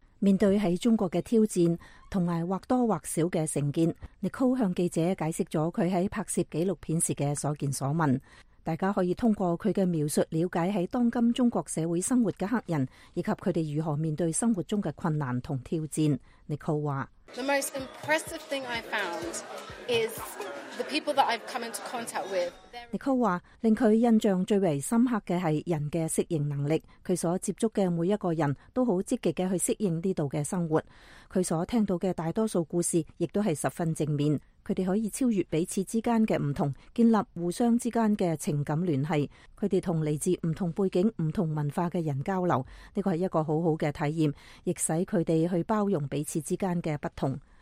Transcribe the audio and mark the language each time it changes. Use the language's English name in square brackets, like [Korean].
[Chinese] 面对在中国的挑战和或多或少的成见， Nicole 向记者解释了他在拍摄纪录片时的所见所闻。大家可以通过他的描述了解在当今中国社会生活的黑人，以及他们如何面对生活中的困难和挑战。 Nicole 说， [English] The most impressive thing I found is the people that I've come into contact with. [Chinese] Nicole 说，令他印象最为深刻的是人的适应能力。他所接触的每一个人都很积极地去适应这里的生活。他所听到的大多数故事也都是十分正面。他们可以超越彼此之间的不同，建立互相之间的情感联系。他们同来自不同背景、不同文化的人交流，这是一个很好的体验，也使他们去包容彼此之间的不同。